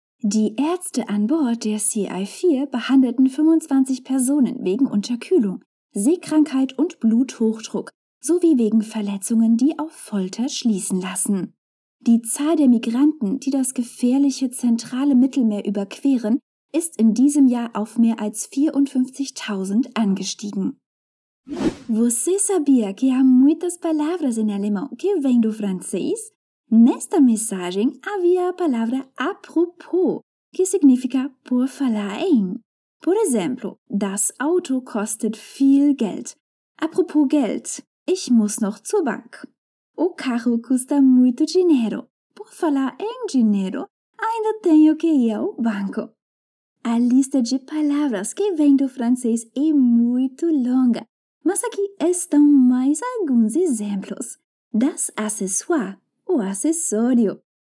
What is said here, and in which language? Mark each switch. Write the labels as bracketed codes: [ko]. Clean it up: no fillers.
[de] Die Ärzte an Bord der CI-4 behandelten 25 Personen wegen Unterkühlung, Seekrankheit und Bluthochdruck sowie wegen Verletzungen, die auf Folter schließen lassen. Die Zahl der Migranten, die das gefährliche zentrale Mittelmeer überqueren, ist in diesem Jahr auf mehr als 54.000 angestiegen. [pt] Você sabia que há muitas palavras em alemão que vêm do francês? Nesta mensagem havia a palavra apropos, que significa por falar em. [es] Por ejemplo, [de] das Auto kostet viel Geld. Apropos Geld, ich muss noch zur Bank. [pt] O carro custa muito dinheiro. Por falar em dinheiro, ainda tenho que ir ao banco. A lista de palavras que vem do francês é muito longa, mas aqui estão mais alguns exemplos. [de] Das acessoire, [pt] o acessório.